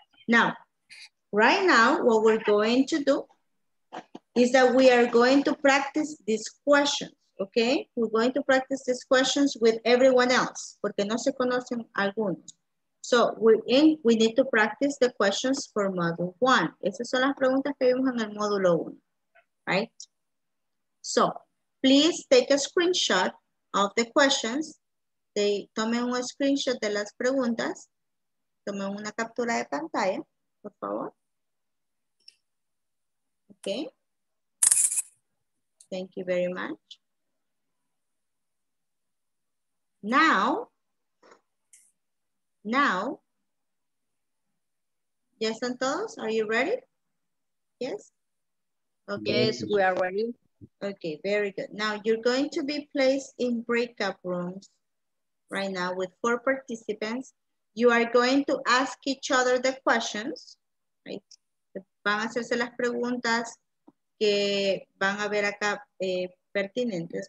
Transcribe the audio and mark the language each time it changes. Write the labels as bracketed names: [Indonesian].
[English] Now, right now, what we're going to do is that we are going to practice these questions, okay? We're going to practice these questions with everyone else, [Spanish] porque no se conocen algunos. [English] So we need to practice the questions for module one. [Spanish] Esas son las preguntas que vimos en el módulo uno, right? [English] So please take a screenshot of the questions. [Spanish] Tomen un screenshot de las preguntas. Tomen una captura de pantalla, por favor. [English] Okay. Thank you very much. Now, yes, and todos, are you ready? Yes? Okay. Yes, we are ready. Okay, very good. Now you're going to be placed in breakout rooms right now with four participants. You are going to ask each other the questions, right? [Spanish] Van a hacerse las preguntas que van a ver acá pertinentes.